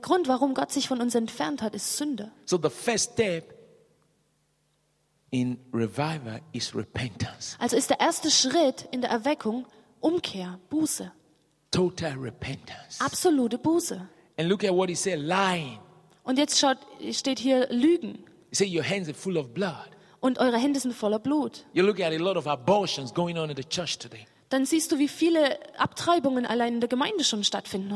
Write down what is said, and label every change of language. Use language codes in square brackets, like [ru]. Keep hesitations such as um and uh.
[de] Grund, warum Gott sich von uns entfernt hat, ist Sünde. [en] So the first step in revival is repentance. [de] Also is the first step in der Erweckung Umkehr, Buße. [en] Total repentance. [de] Absolute Buße. [en] And look at what he said, lying. [de] And jetzt schaut, steht hier Lügen. [en] He Your hands are full of blood. [de] Und eure Hände sind voller Blut. [en] You look at a lot of abortions going on in the church today. [de] dann siehst du, wie viele Abtreibungen allein in der Gemeinde schon stattfinden